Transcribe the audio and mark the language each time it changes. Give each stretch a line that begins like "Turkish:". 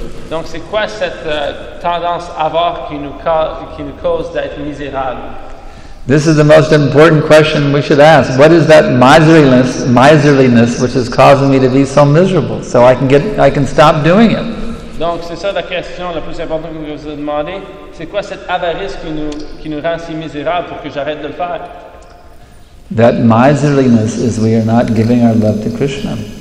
French: Donc c'est quoi cette tendance à avoir qui nous cause d'être misérable?
English: This is the most important question we should ask. What is that miserliness which is causing me to be so miserable? So I can stop doing it.
French: Donc c'est ça la question la plus importante que vous avez demandé. C'est quoi cette avarice qui nous rend si misérable pour que j'arrête de le faire?
English: That miserliness is we are not giving our love to Krishna.